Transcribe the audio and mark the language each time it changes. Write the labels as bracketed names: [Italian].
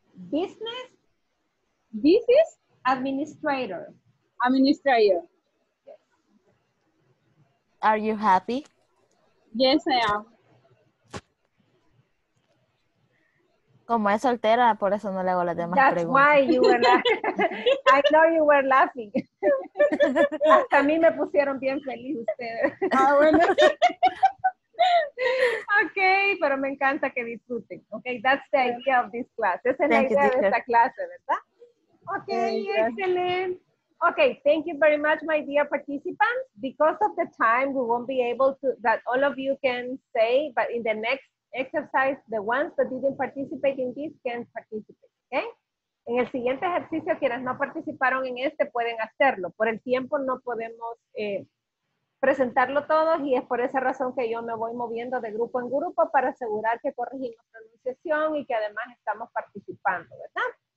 [English] Business. Business administrator. Administrator. Are you happy? Yes, I am. [Spanish] Como es soltera, por eso no le hago las demás [English] That's [Spanish] preguntas. [English] That's why you were laughing. I know you were laughing. [Spanish] Hasta a mí me pusieron bien feliz ustedes. Ah, bueno. Ok, pero me encanta que disfruten. [English] Ok, that's the idea of this class. [Spanish] Esa es la idea de esta clase, ¿verdad? Ok, excelente. [English] Ok, thank you very much, my dear participants. Because of the time, we won't be able to, that all of you can say, but in the next exercise, the ones that didn't participate in this can participate, okay? [Spanish] En el siguiente ejercicio, quienes no participaron en este pueden hacerlo. Por el tiempo no podemos presentarlo todos y es por esa razón que yo me voy moviendo de grupo en grupo para asegurar que corregimos pronunciación y que además estamos participando, ¿verdad?